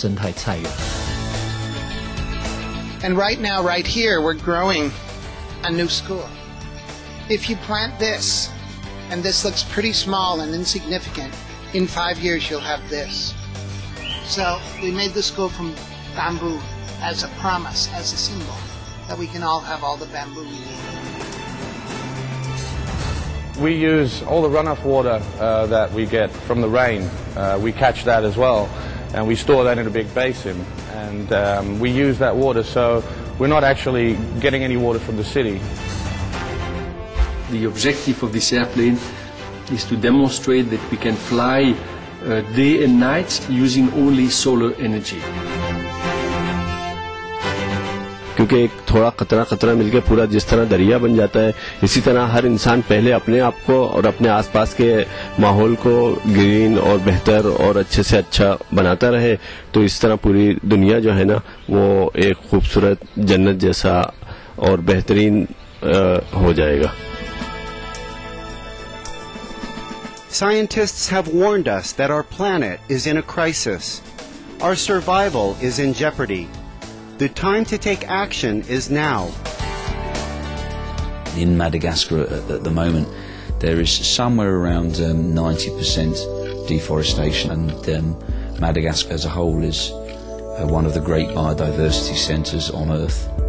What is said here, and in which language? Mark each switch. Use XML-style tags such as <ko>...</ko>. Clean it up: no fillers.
<zh>那这个，当屋顶就变成是一个菜园，是很重要的一件事情。这就是为什么我们必须要开始有一个这种粮食安全的一个考量哈。然后，而且从自家就来打造这个食物森林跟生态菜园。</zh> <en>And right now, right here, we're growing a new school. If you plant this, and this looks pretty small and insignificant, in 5 years you'll have this. So we made the school from bamboo as a promise, as a symbol, that we can all have all the bamboo we need. We use all the runoff water that we get from the rain. We catch that as well, and we store that in a big basin. And we use that water, so we're not actually getting any water from the city. The objective of this airplane is to demonstrate that we can fly day and night using only solar energy.</en> <hi>क्योंकि एक थोड़ा खतरा खतरा मिलके पूरा जिस तरह दरिया बन जाता है इसी तरह हर इंसान पहले अपने आप को और अपने आसपास के माहौल को ग्रीन और बेहतर और अच्छे से अच्छा बनाता रहे तो इस तरह पूरी दुनिया जो है ना वो एक खूबसूरत जन्नत जैसा और बेहतरीन हो जाएगा.</hi> <en>Scientists have warned us that our planet is in a crisis. Our survival is in jeopardy. The time to take action is now. In Madagascar at the moment, there is somewhere around 90% deforestation, and Madagascar as a whole is one of the great biodiversity centers on Earth.</en>